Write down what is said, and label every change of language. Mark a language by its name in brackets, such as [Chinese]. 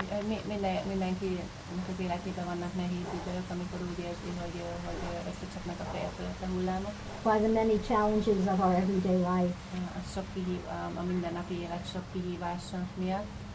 [Hungarian] Mindenki, amikor az életében vannak nehéz idők, amikor úgy érzi, hogy összecsapnak a feje fölött a hullámok. [English] By the many challenges of our everyday life. [Hungarian] A mindennapi élet sok kihívása miatt.